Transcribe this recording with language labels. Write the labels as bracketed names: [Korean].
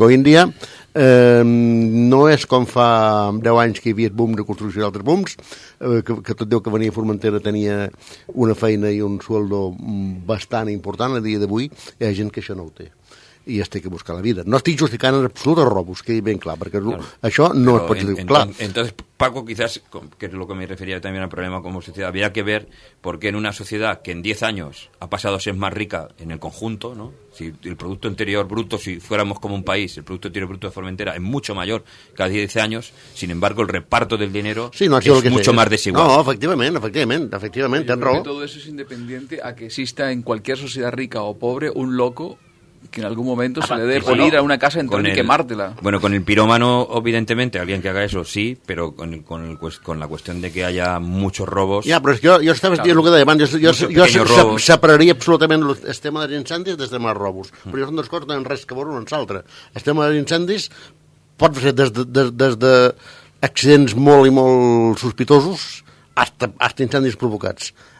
[Spanish] Hoy en dia [Catalan] no és com fa 10 anys que hi havia boom de construcció d'altres booms, que tot diu que venia a Formentera tenia una feina i un sueldo bastant important. A dia d'avui hi ha gent que això no ho té i es té que buscar la vida. No estic justificant en absolut el robo, que ben clar, perquè claro, això no es pot dir clar. [Spanish] Entonces, Paco, quizás, que es lo que me refería también al problema como sociedad, había que ver por qué en una sociedad que en 10 años ha pasado a ser más rica en el conjunto, ¿no? Si el Producto Interior Bruto, si fuéramos como un país, el Producto Interior Bruto de Formentera es mucho mayor que a 10 años, sin embargo, el reparto del dinero sí, no, es que mucho sea más desigual. No, efectivamente, en robo. Todo eso es independiente a que exista en cualquier sociedad rica o pobre un loco que en algún momento se le dé por ir a una casa entera y quemártela. Bueno, con el pirómano, evidentemente, alguien que haga eso, sí, pero con la cuestión de que haya muchos robos... Ya, pero es que yo estaba diciendo lo que [Catalan] deia, yo separaría absolutament el tema dels incendis del tema dels robos, però són dos coses que no tenen res que veure l'un amb l'altre. El tema dels incendis pot ser des de accidents molt i molt sospitosos hasta incendis provocats.